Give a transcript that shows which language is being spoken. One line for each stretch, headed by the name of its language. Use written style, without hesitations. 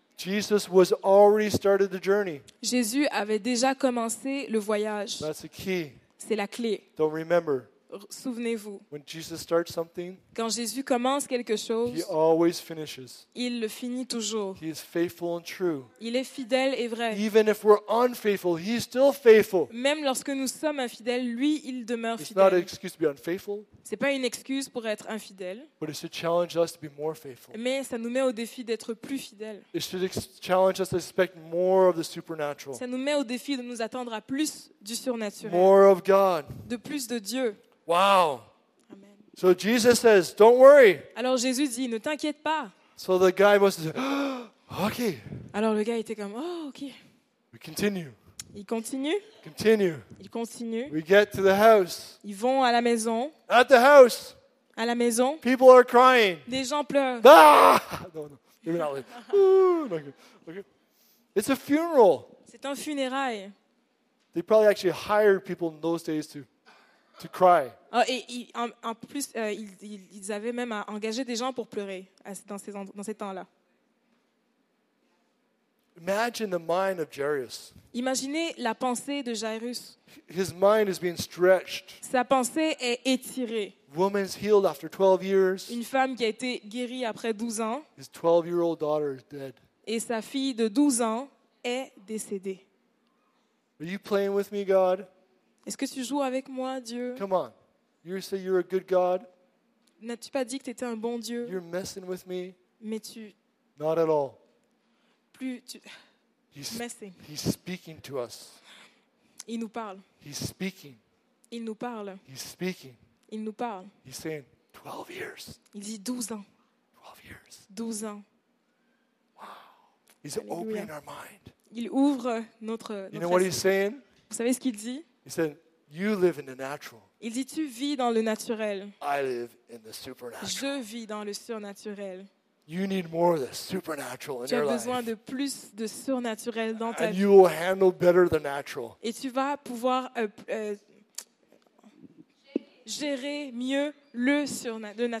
English: Jesus was already started the journey.
French: Jésus avait déjà commencé le voyage.
English: That's the key.
French: C'est la clé.
English: Don't remember.
French: Souvenez-vous.
English: When Jesus starts something,
French: quand Jésus commence quelque chose,
English: he always finishes.
French: Il le finit toujours.
English: He is faithful and true.
French: Il est fidèle et vrai.
English: Even if we're unfaithful, he is still faithful.
French: Même lorsque nous sommes infidèles, lui, il demeure
English: it's
French: fidèle.
English: Not an excuse to be unfaithful.
French: C'est pas une excuse pour être infidèle.
English: But it should challenge us to be more faithful.
French: Mais ça nous met au défi d'être plus fidèle.
English: It should challenge us to expect more of the supernatural.
French: Ça nous met au défi de nous attendre à plus du surnaturel.
English: More of God.
French: De plus de Dieu.
English: Wow. Amen. So Jesus says, "Don't worry."
French: Alors Jésus dit, ne t'inquiète pas.
English: So the guy must say, oh, "Okay."
French: Alors le gars était comme, "Oh, okay."
English: We continue.
French: Il continue.
English: Continue.
French: Il continue.
English: We get to the house.
French: Ils vont à la maison.
English: At the house.
French: À la maison.
English: People are crying.
French: Des gens pleurent.
English: Ah! No, maybe not. Okay. It's a funeral.
French: C'est un funérailles.
English: They probably actually hired people in those days to to cry.
French: Oh, et en plus, ils avaient même engagé des gens pour pleurer dans ces temps-là.
English: Imagine the mind of Jairus.
French: Imaginez la pensée de Jairus.
English: His mind is being stretched.
French: Sa pensée est étirée.
English: Woman's healed after 12 years.
French: Une femme qui a été guérie après 12 ans.
English: His 12-year-old daughter is dead.
French: Et sa fille de 12 ans est décédée.
English: Are you playing with me, God?
French: Est-ce que tu joues avec moi, Dieu?
English: Come on. You say you're a good God?
French: N'as-tu pas dit que tu étais un bon Dieu?
English: You're messing with me?
French: Mais tu...
English: Not at all.
French: Plus tu... messing.
English: He's speaking to us.
French: Il nous parle.
English: He's speaking.
French: Il nous parle.
English: He's speaking.
French: Il nous parle.
English: He's saying 12 years.
French: Il dit 12 ans.
English: 12 years.
French: 12 ans.
English: Wow. He's Alleluia. Opening our mind.
French: Il ouvre notre
English: You know what he's saying?
French: Vous savez ce qu'il dit?
English: He said, "You live in the natural."
French: Il dit, tu vis dans le naturel.
English: I live in the supernatural.
French: Je vis dans le surnaturel.
English: You need more of the supernatural in your life.
French: Tu as besoin de plus de surnaturel dans ta vie.
English: And you will handle better the natural.
French: Et tu vas pouvoir gérer mieux le surnaturel.